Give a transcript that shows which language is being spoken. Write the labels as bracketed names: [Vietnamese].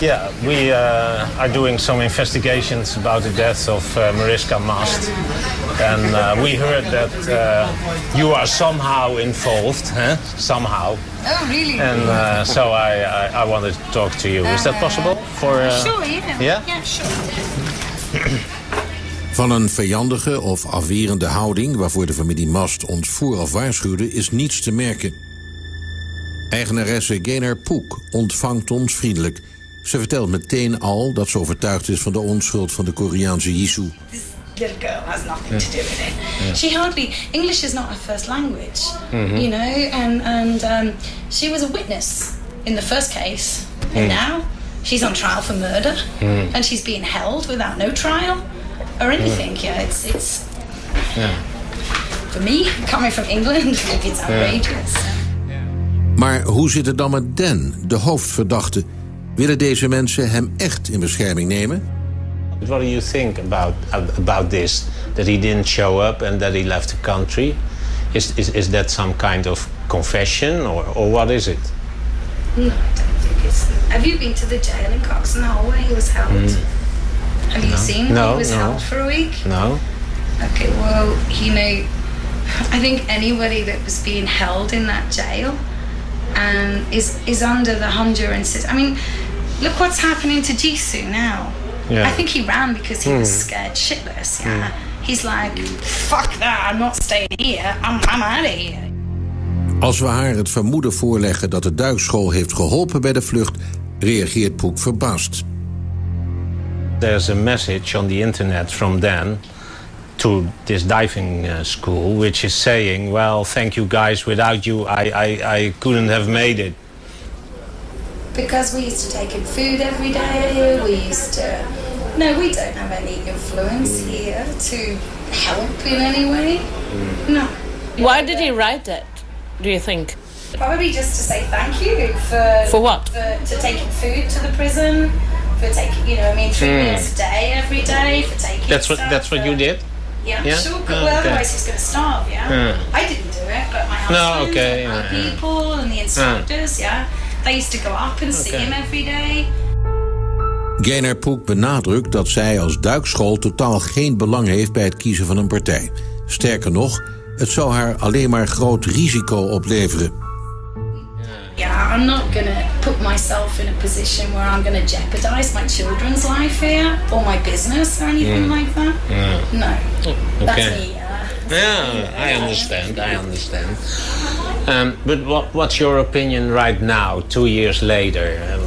[English] Yeah, we are doing some investigations about the death of Mariska Mast. And we heard that you are somehow involved, huh? Somehow. Oh, really? And so I wanted to talk to you. Is that possible? Sure. [Dutch] Van een vijandige of afwerende houding waarvoor de familie Mast ons vooraf waarschuwde, is niets te merken. Eigenaresse Gaynor Pook ontvangt ons vriendelijk. Ze vertelt meteen al dat ze overtuigd is van de onschuld van de Koreaanse Jisoo. [English] Little girl has nothing to do with it. Yeah. She hardly English is not her first language, mm-hmm. you know. And she was a witness in the first case, and now she's on trial for murder, and she's being held without no trial or anything. Yeah, it's for me coming from England, it's outrageous. Yeah. [Dutch] Maar hoe zit het dan met Dan, de hoofdverdachte? Willen deze mensen hem echt in bescherming nemen? [English] But what do you think about this, that he didn't show up and that he left the country? Is that some kind of confession, or what is it? No, I don't think it's... Have you been to the jail in Coxon Hall where he was held? Mm. Have you seen held for a week? No. Okay, well, you know, I think anybody that was being held in that jail and is under the Honduran system... I mean, look what's happening to Jisoo now. Yeah. I think he ran because he was scared shitless, yeah. He's like, fuck that, I'm not staying here, I'm out of here. [Dutch] Als we haar het vermoeden voorleggen dat de duikschool heeft geholpen bij de vlucht, reageert Pook verbaasd. [English] There's a message on the internet from Dan to this diving school, which is saying, well, thank you guys, without you I couldn't have made it. Because we used to take in food every day here, we used to... No, we don't have any influence here to help in any way. No. Why did he write that, do you think? Probably just to say thank you for... For what? To taking food to the prison, for taking, you know, I mean, 3 meals a day, every day, for taking that's what stuff. That's what you did? Yeah, sure, because otherwise he's going to starve, yeah? I didn't do it, but my husband and my people and the instructors, They used to go up and see him every day. [Dutch] Gaynor Pook benadrukt dat zij als duikschool totaal geen belang heeft bij het kiezen van een partij. Sterker nog, het zou haar alleen maar groot risico opleveren. [English] Yeah, I'm not gonna put myself in a position where I'm gonna jeopardize my children's life here or my business or anything like that. Yeah. No. Okay. Yeah, I understand. But what's your opinion right now, 2 years later?